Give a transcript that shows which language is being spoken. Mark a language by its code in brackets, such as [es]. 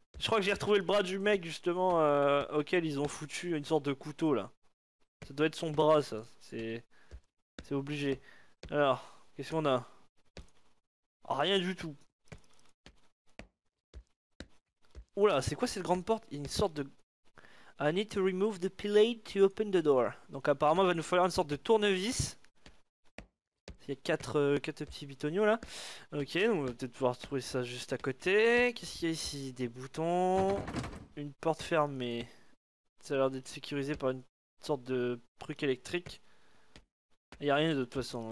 [fr] Je crois que j'ai retrouvé le bras du mec, justement, auquel ils ont foutu une sorte de couteau, là. Ça doit être son bras, ça. C'est obligé. Alors, qu'est-ce qu'on a? Rien du tout. Oula, c'est quoi cette grande porte? Une sorte de... [en] I need to remove the pillar to open the door. [fr] Donc apparemment, il va nous falloir une sorte de tournevis. Il y a quatre petits bitonios là. Ok, donc on va peut-être pouvoir trouver ça juste à côté. Qu'est-ce qu'il y a ici? Des boutons. Une porte fermée. Ça a l'air d'être sécurisé par une sorte de truc électrique. Il n'y a rien de toute façon.